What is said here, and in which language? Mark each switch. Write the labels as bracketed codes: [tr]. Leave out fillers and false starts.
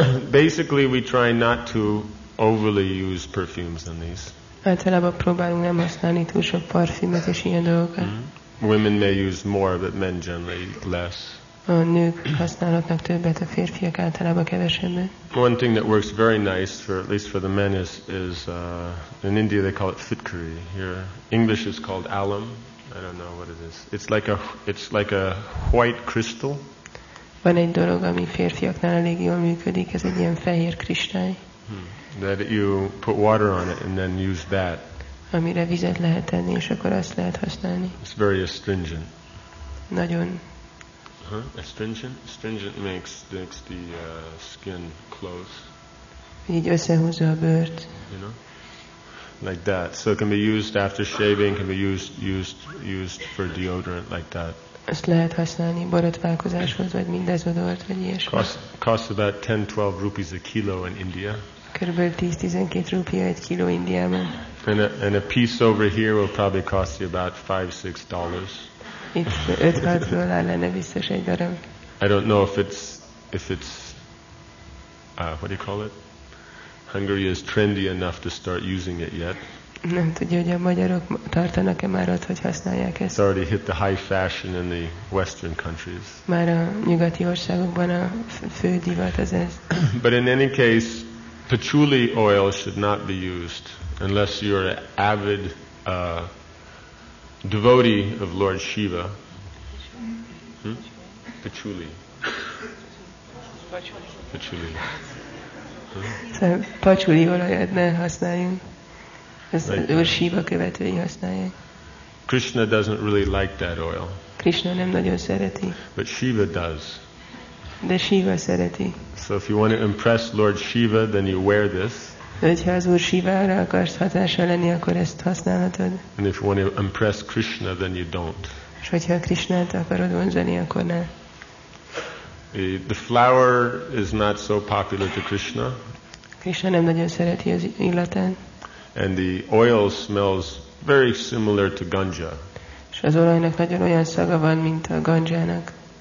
[en] Basically, we try not to overly use perfumes on these. [hu] Általában próbálunk nem használni túl sok parfümöt és ilyen dolgokat. [en] Women may use more, but men generally less. [hu] A nők használhatnak többet, a férfiak általában kevesebbet. [en] One thing that works very nice, for at least for the men, is in India they call it fitkari. Here, English is called alum. I don't know what it is. It's like a white crystal. [hu] Van egy dolog, ami férfiaknál elég jól működik. Ez egy ilyen fehér kristály. [en] That you put water on it and then use that. [hu] Amire vizet lehet tenni, és akkor azt lehet használni. [en] It's very astringent. [hu] Nagyon. [en] Astringent? Astringent makes the skin close. [hu] Így összehúzza a bőrt. [en] You know? Like that. So it can be used after shaving, can be used for deodorant, like that. [hu] Ezt lehet használni borotválkozáshoz, vagy mindezodort, vagy ilyesmi. [en] Costs about 10-12 rupees a kilo in India. [hu] Körülbelül 10-12 rupia egy kiló Indiában. [en] And a piece over here will probably cost you about $5-6. [hu] Itt 5-6 dollár lenne biztos egy darab. [en] I don't know if it's what do you call it? Hungary is trendy enough to start using it yet. [hu] Nem tudja, hogy a magyarok tartanak-e már ott, hogy használják ezt. [en] It's already hit the high fashion in the Western countries. [hu] Már a nyugati országokban a fő divat az ez. [en] But in any case, patchouli oil should not be used unless you're an avid devotee of Lord Shiva. Patchouli. Patchouli. [hu] Patchouli olajat ne használjunk. Ezt Lord Shiva követői használják. [en] Krishna doesn't really like that oil. [hu] Krishna nem nagyon szereti. [en] But Shiva does. [hu] De Shiva szereti. [en] So if you want to impress Lord Shiva, then you wear this. [hu] Hogyha az Úr Shivára akarsz hatással lenni, akkor ezt használhatod. [en] And if you want to impress Krishna, then you don't. [hu] És hogyha Krishnát akarod vonzani, akkor ne. [en] The flower is not so popular to Krishna. [hu] Krishna nem nagyon szereti az illatát. [en] And the oil smells very similar to ganja. [hu] És az olajnak nagyon olyan szaga van, mint a ganjának.